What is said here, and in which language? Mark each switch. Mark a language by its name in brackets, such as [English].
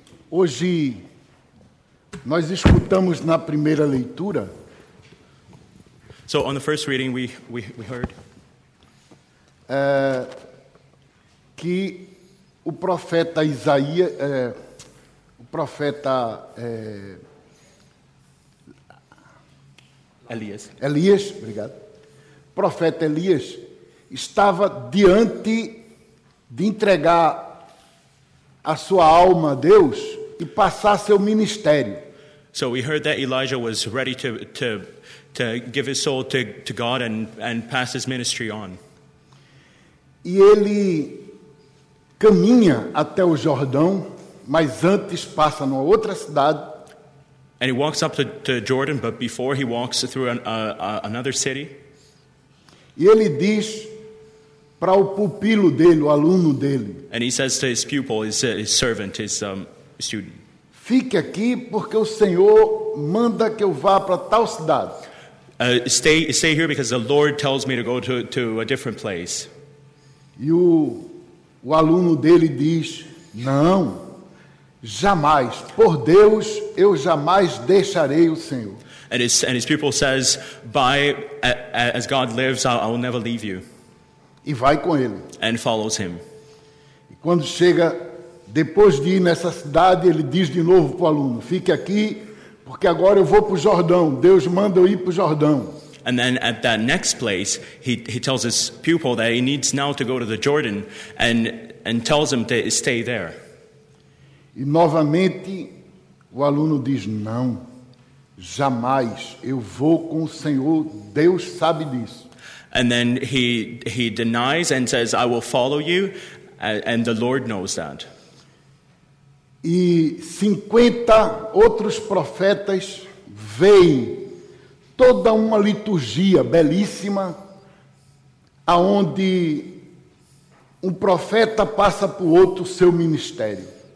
[Portuguese] Hoje nós escutamos na primeira leitura. [English] So on the first reading we heard [Portuguese] que o profeta Isaías profeta Elias estava diante de entregar a sua alma a Deus e passar seu ministério. [English] So we heard that Elijah was ready to give his soul to God and pass his ministry on. [Portuguese] E ele caminha até o Jordão. Mas antes passa numa outra cidade. [English] And he walks up to Jordan, but before he walks through another city. [Portuguese] E ele diz para o pupilo dele, o aluno dele. [English] And he says to his pupil, his servant, his student. [Portuguese] Fique aqui porque o Senhor manda que eu vá para tal cidade. [English] Stay here because the Lord tells me to go to a different place. [Portuguese] E o aluno dele diz, não. Jamais, por Deus, eu jamais deixarei o Senhor. [English] And his people says, by as God lives, I will never leave you. [Portuguese] E vai com ele. [English] And follows him. [Portuguese] E quando chega, depois de ir nessa cidade, ele diz de novo para o aluno, fique aqui, porque agora eu vou para o Jordão. Deus manda eu ir para o Jordão. [English] And then at that next place, he tells his pupil that he needs now to go to the Jordan and tells him to stay there. [Portuguese] E novamente o aluno diz, não, jamais, eu vou com o Senhor, Deus sabe disso. [English] And then he denies and says, I will follow you, and the Lord knows that. [Portuguese] E 50 outros profetas veem toda uma liturgia belíssima, aonde um profeta passa para o outro seu ministério.